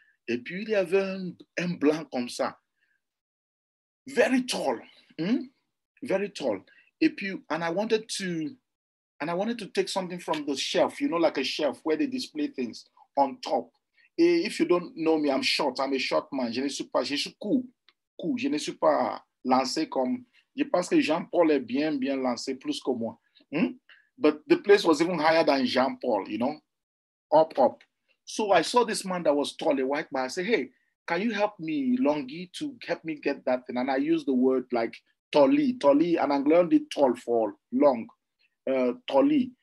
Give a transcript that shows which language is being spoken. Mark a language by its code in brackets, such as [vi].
[fr] Et puis il y avait un blanc comme ça. [en] Very tall. Hmm? Very tall. [fr] Et puis, [en] and I wanted to take something from the shelf, you know, like a shelf where they display things. On top. Et if you don't know me, I'm short. I'm a short man. [fr] Je suis court. Je ne suis pas lancé comme... Je pense que Jean-Paul est bien, bien lancé, plus que moi. Hmm? [en] But the place was even higher than Jean-Paul, you know? Up. So I saw this man that was tall, a white man. I said, hey, can you help me, Longi, to help me get that thing? And I used the word like tolly. Tolly, and I learned it tall for long. Tolly.